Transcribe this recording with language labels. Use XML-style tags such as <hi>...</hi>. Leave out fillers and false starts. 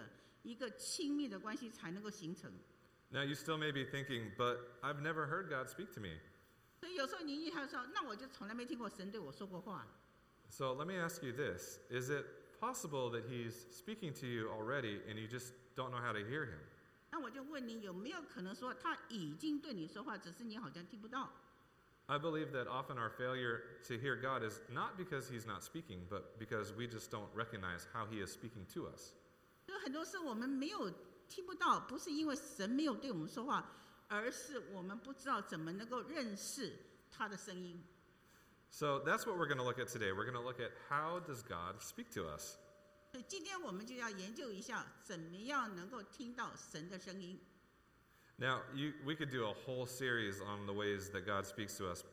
<zh>神要我们能够听到他，因为因此我们才能够有一个有深度的一个亲密的关系才能够形成。</zh> <en>Now you still may be thinking, but I've never heard God speak to me.</en> <zh>所以有时候你一听说，那我就从来没听过神对我说过话。</zh> <en>So let me ask you this, is it possible that He's speaking to you already and you just don't know how to hear Him?</en> <zh>那我就问你，有没有可能说他已经对你说话，只是你好像听不到？</zh> <en>I believe that often our failure to hear God is not because He's not speaking, but because we just don't recognize how He is speaking to us.</en> <zh>有很多事我们没有听不到，不是因为神没有对我们说话，而是我们不知道怎么能够认识他的声音。</zh> <en>So that's what we're going to look at today. We're going to look at how does God speak to us.</en> <zh>今天我们就要研究一下怎么样能够听到神的声音。</zh> <en>Now, we could do a whole series on the ways that God speaks to us.</en>